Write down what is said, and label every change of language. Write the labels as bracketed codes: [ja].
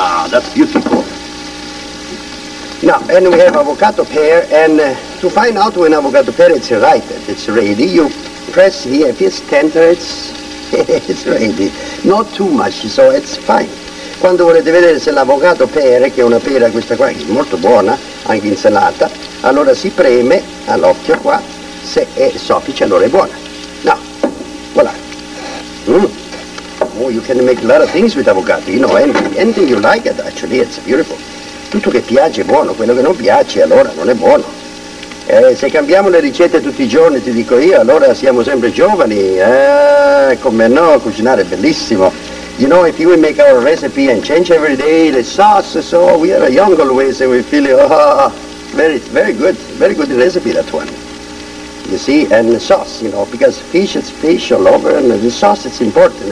[en] That's beautiful. Now, and we have avocado pear, and to find out when avocado pear is ripe, it's ready, you press here, if it's tender, it's ready. Not too much, so it's fine. [it] Quando volete vedere se l'avocado pear, che è una pera questa qua, che è molto buona, anche insalata, allora si preme all'occhio qua, se è soffice allora è buona. [en] Now, voilà. Oh, you can make a lot of things with avocado, you know, anything you like it, actually, it's beautiful. [it] Tutto che piace è buono, quello che non piace allora non è buono. Se cambiamo le ricette tutti i giorni, ti dico io, allora siamo sempre giovani. Come no, cucinare è bellissimo. [en] You know, if you would make our recipe and change every day, the sauce, so we are young always and we feel, very good recipe, that one. You see, and the sauce, you know, because fish is fish all over, and the sauce is important.